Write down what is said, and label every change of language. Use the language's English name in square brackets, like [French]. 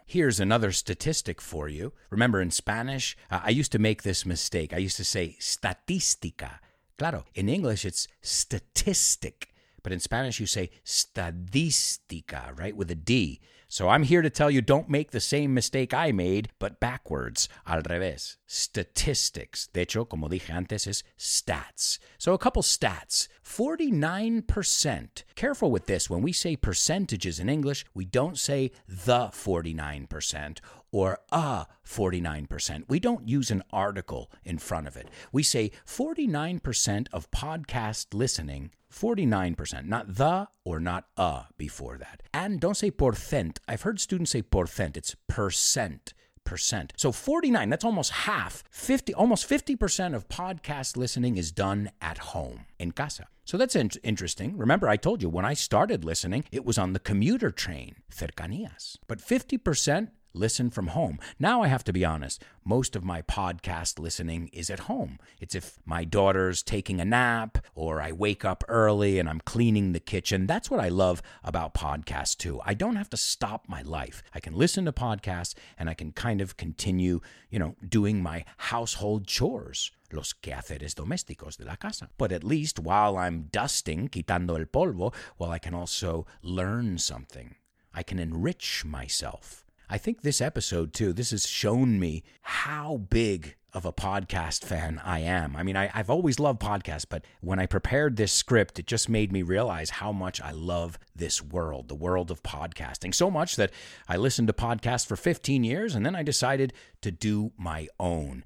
[English] Here's another statistic for you. Remember, in Spanish, I used to make this mistake. I used to say statística. Claro, in English, it's statistic. But in Spanish, you say estadística, right, with a D. So I'm here to tell you, don't make the same mistake I made, but backwards, [Spanish] al revés. [English] Statistics. [Spanish] De hecho, como dije antes, es stats. [English] So a couple stats. 49%. Careful with this. When we say percentages in English, we don't say the 49% or a 49%. We don't use an article in front of it. We say 49% of podcast listening. 49%, not the or not a before that. And don't say porcent. I've heard students say porcent. It's percent, percent. So 49, that's almost half, 50, almost 50% of podcast listening is done at home, [Spanish] en casa. [English] So that's interesting. Remember, I told you when I started listening, it was on the commuter train, cercanías. But 50% listen from home. Now I have to be honest, most of my podcast listening is at home. It's if my daughter's taking a nap or I wake up early and I'm cleaning the kitchen. That's what I love about podcasts too. I don't have to stop my life. I can listen to podcasts and I can kind of continue, you know, doing my household chores. [Spanish] Los quehaceres domésticos de la casa. [English] But at least while I'm dusting, [Spanish] quitando el polvo, [English] well, I can also learn something. I can enrich myself. I think this episode, too, this has shown me how big of a podcast fan I am. I mean, I've always loved podcasts, but when I prepared this script, it just made me realize how much I love this world, the world of podcasting, so much that I listened to podcasts for 15 years, and then I decided to do my own.